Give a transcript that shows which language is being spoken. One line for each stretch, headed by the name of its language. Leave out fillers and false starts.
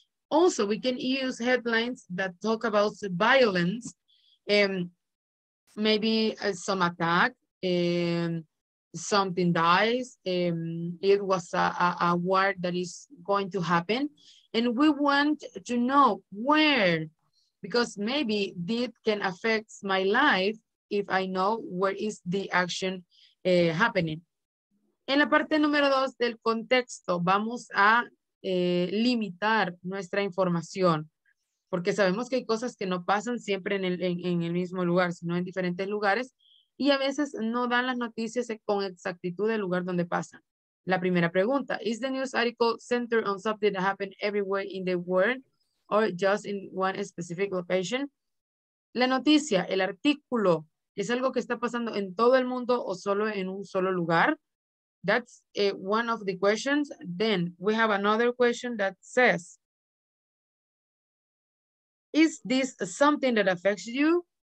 English: Also, we can use headlines that talk about violence, maybe some attack, something dies, it was a war that is going to happen. And we want to know where, because maybe this can affect my life if I know where is the action happening.
Spanish: En la parte número dos del contexto, vamos a limitar nuestra información, porque sabemos que hay cosas que no pasan siempre en el mismo lugar, sino en diferentes lugares, y a veces no dan las noticias con exactitud del lugar donde pasan. La primera pregunta,
English: is the news article centered on something that happened everywhere in the world or just in one specific location?
Spanish: La noticia, el artículo, ¿es algo que está pasando en todo el mundo o solo en un solo lugar?
English: That's one of the questions. Then we have another question that says, is this something that affects you?